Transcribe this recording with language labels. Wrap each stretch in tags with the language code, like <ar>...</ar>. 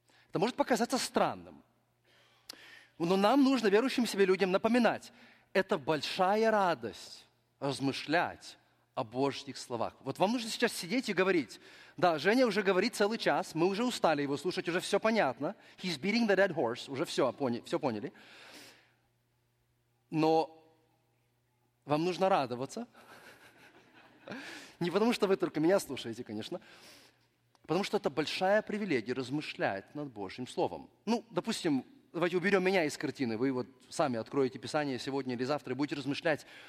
<ru>Это может показаться странным. Но нам нужно, верующим себе людям, напоминать, это большая радость размышлять о Божьих словах. Вот вам нужно сейчас сидеть и говорить. Да, Женя уже говорит целый час, мы уже устали его слушать, уже все понятно.</ru> <en>He's beating the dead horse,</en> <ru>уже все поняли. Но вам нужно радоваться. Не потому, что вы только меня слушаете, конечно. Потому что это большая привилегия размышлять над Божьим словом. Ну, допустим, давайте уберем меня из картины. Вы вот сами откроете Писание сегодня или завтра и будете размышлять.</ru>